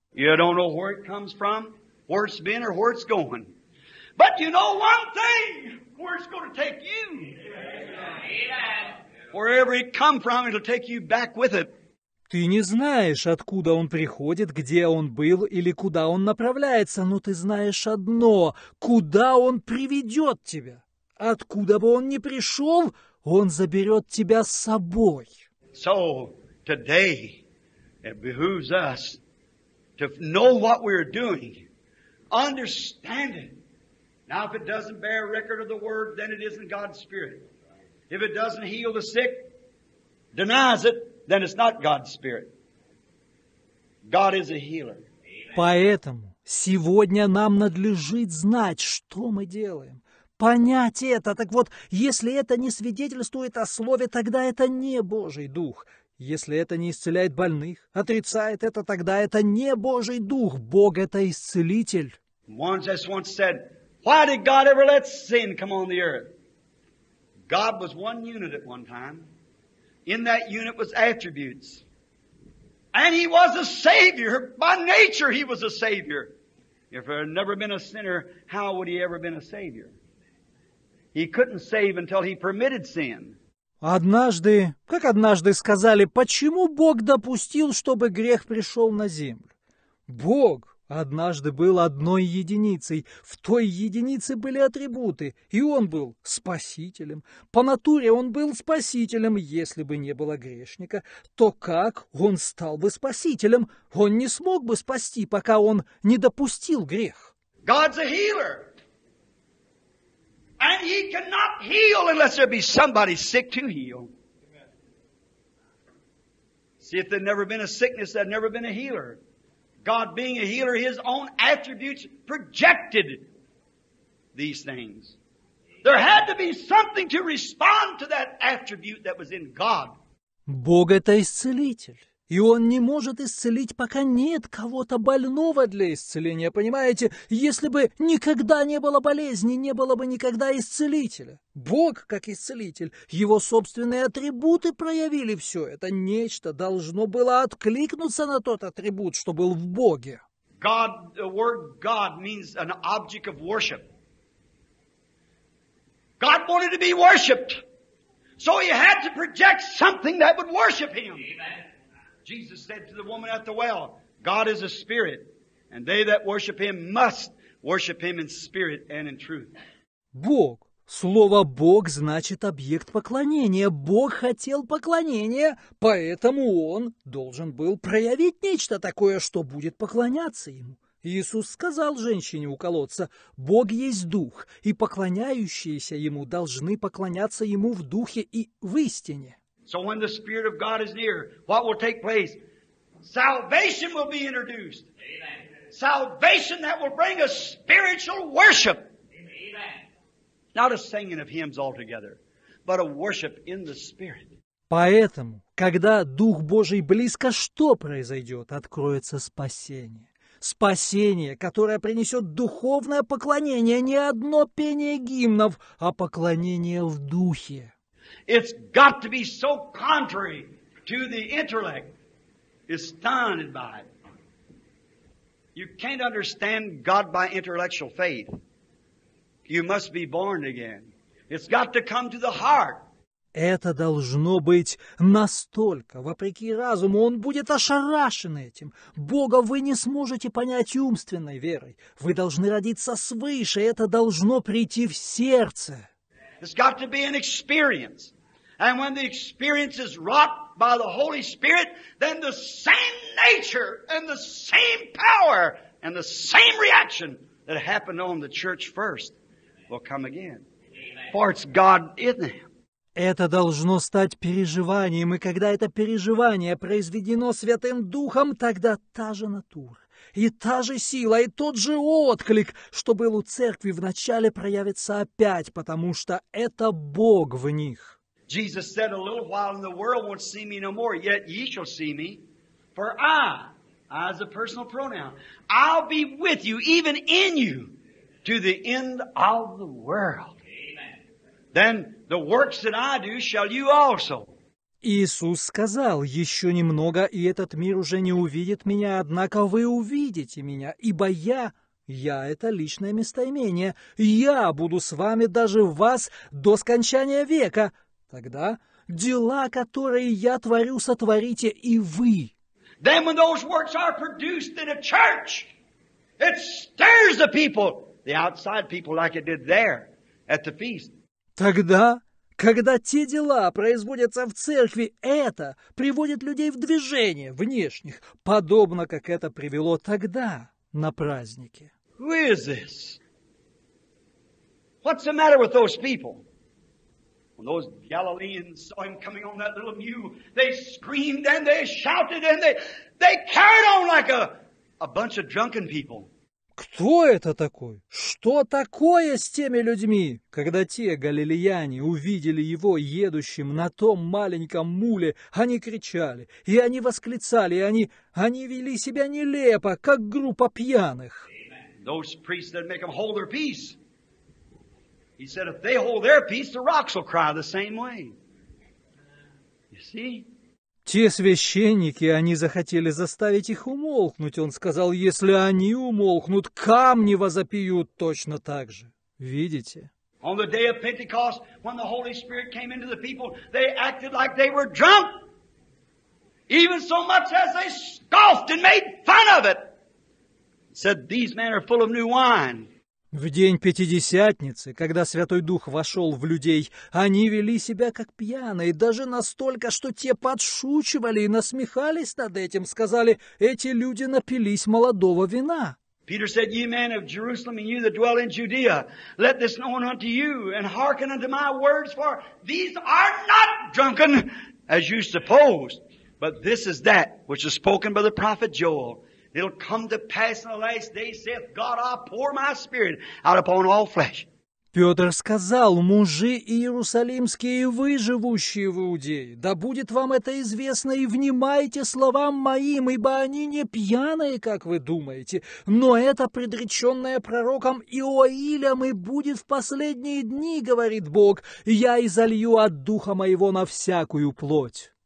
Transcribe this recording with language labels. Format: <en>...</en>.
<en>You don't know where it comes from, where it's been, or where it's going. But you know one thing, where it's going to take you. Wherever it come from, it'll take you back with it.</en> <ru>Ты не знаешь, откуда он приходит, где он был или куда он направляется, но ты знаешь одно, куда он приведет тебя. Откуда бы он ни пришел, он заберет тебя с собой.</ru> <en>So, today, it behooves us to know what we're doing, understand it. Now, if it doesn't bear record of the word, then it isn't God's Spirit. If it doesn't heal the sick, denies it, then it's not God's Spirit. God is a healer.</en> <ru>Поэтому сегодня нам надлежит знать, что мы делаем. Понять это. Так вот, если это не свидетельствует о Слове, тогда это не Божий Дух. Если это не исцеляет больных, отрицает это, тогда это не Божий Дух. Бог — это Исцелитель.</ru> <en>Once said, why did God ever let sin come on the earth? God was one unit at one time. In that unit was attributes. And he was a savior. By nature he was a savior. If there had never been a sinner, how would he ever been a savior? He couldn't save until he permitted sin.</en> <ru>Однажды, как однажды сказали, почему Бог допустил, чтобы грех пришел на землю? Бог однажды был одной единицей. В той единице были атрибуты, и он был спасителем. По натуре он был спасителем. Если бы не было грешника, то как он стал бы спасителем? Он не смог бы спасти, пока он не допустил грех.</ru> <en>God's a healer. And he cannot heal unless there be somebody sick to heal. See, if there'd never been a sickness, there'd never been a healer. God being a healer, his own attributes projected these things. There had to be something to respond to that attribute that was in God.</en> <ru>Бог — это исцелитель. И он не может исцелить, пока нет кого-то больного для исцеления, понимаете? Если бы никогда не было болезни, не было бы никогда исцелителя. Бог, как исцелитель, его собственные атрибуты проявили все. Это нечто должно было откликнуться на тот атрибут, что был в Боге.</ru> <en>God, the word God means an object of worship. God wanted to be worshipped. So he had to project something that would worship him. Amen. Jesus said to the woman at the well, God is a spirit, and they that worship him must worship him in spirit and in truth.</en> <ru>Бог. Слово Бог значит объект поклонения. Бог хотел поклонения, поэтому он должен был проявить нечто такое, что будет поклоняться ему. Иисус сказал женщине у колодца, Бог есть дух, и поклоняющиеся ему должны поклоняться ему в духе и в истине.</ru> <en>So when the Spirit of God is near, what will take place? Salvation will be introduced. Amen. Salvation that will bring a spiritual worship. Amen. Not a singing of hymns altogether, but a worship in the Spirit.</en> <ru>Поэтому, когда Дух Божий близко, что произойдет? Откроется спасение. Спасение, которое принесет духовное поклонение, не одно пение гимнов, а поклонение в Духе.</ru> <en>It's got to be so contrary to the intellect. It's stunned by it. You can't understand God by intellectual faith. You must be born again. It's got to come to the heart.</en> <ru>Это должно быть настолько, вопреки разуму, он будет ошарашен этим. Бога вы не сможете понять умственной верой. Вы должны родиться свыше. Это должно прийти в сердце.</ru> <en>It's got to be an experience. And when the experience is wrought by the Holy Spirit, then the same nature and the same power and the same reaction that happened on the church first will come again. Amen. For it's God in them.</en> <ru>Это должно стать переживанием, и когда это переживание произведено Святым Духом, тогда та же натура. И та же сила, и тот же отклик, что был у церкви, вначале проявится опять, потому что это Бог в них.</ru> <en>Jesus said, a little while and the world won't see me no more, yet ye shall see me, for I, as a personal pronoun, I'll be with you, even in you, to the end of the world. Amen. Then the works that I do shall you also.</en> <ru>Иисус сказал, еще немного, и этот мир уже не увидит меня, однако вы увидите меня, ибо я это личное местоимение, я буду с вами даже в вас до скончания века. Тогда дела, которые я творю, сотворите и вы.</ru> <en>Then when those works are produced in a church, it stirs the people, the outside people, like it did there at the feast.</en> <ru>Тогда, когда те дела производятся в церкви, это приводит людей в движение внешних, подобно как это привело тогда на празднике.</ru> <en>Who is this? What's the matter with those people? When those Galileans saw him coming on that little mule, they screamed and they shouted and they carried on like a bunch of drunken people.</en> <ru>Кто это такой? Что такое с теми людьми, когда те галилеяне увидели его едущим на том маленьком муле? Они кричали, и они восклицали, и они вели себя нелепо, как группа пьяных.</ru> <en>Those priests that make them hold their peace. He said, if they hold their peace, the rocks will cry the same way. You see?</en> <ru>Те священники, они захотели заставить их умолкнуть. Он сказал, если они умолкнут, камни возопьют точно так же. Видите?</ru> <en>On the day of Pentecost, when the Holy Spirit came into the people, they acted like they were drunk. Even so much as they scoffed and made fun of it. Said, these men are full of new wine.</en> <ru>В день Пятидесятницы, когда Святой Дух вошел в людей, они вели себя как пьяные, даже настолько, что те подшучивали и насмехались над этим, сказали, эти люди напились молодого вина.</ru> <en>Peter said, ye men of Jerusalem, and you that dwell in Judea, let this known unto you, and hearken unto my words, for these are not drunken, as you suppose, but this is that which is spoken by the prophet Joel. It'll come to pass in the last day, saith God, I'll pour my spirit out upon all flesh.</en> <ru>Петр сказал, мужи иерусалимские, вы, живущие в Иудее, да будет вам это известно, и внимайте словам моим, ибо они не пьяные, как вы думаете, но это предреченное пророком Иоилем, и будет в последние дни, говорит Бог, я изолью от духа моего на всякую плоть.</ru>